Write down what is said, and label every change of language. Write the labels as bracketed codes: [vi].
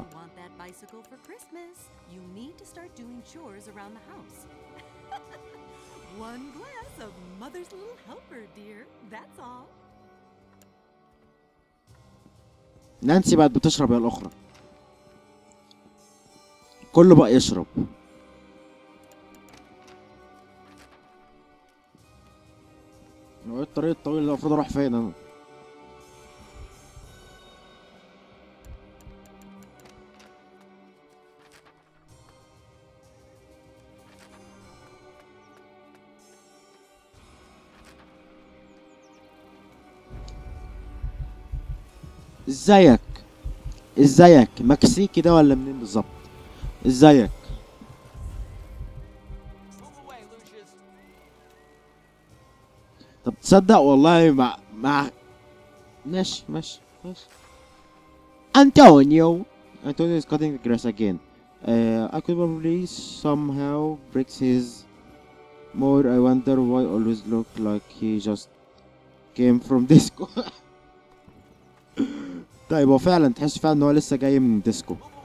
[en] You want that bicycle for Christmas? You need to start doing chores around the house. One glass of mother's little helper, dear. That's all. [ar] نانسي بعد بتشرب يا الأخرى. كله بقى يشرب. هو الطريق الطويل اللي المفروض اروح فين انا؟ ازيك؟ ازيك؟ مكسيكي ده ولا منين بالظبط؟ ازيك؟ طب تصدق والله مع ماشي انتونيو. [en] Antonio is cutting the grass again. I could probably somehow break his mood. I wonder why he always look like he just came from disco. [ar] طيب هو فعلا تحس فعلا ان هو لسه جاي من ديسكو.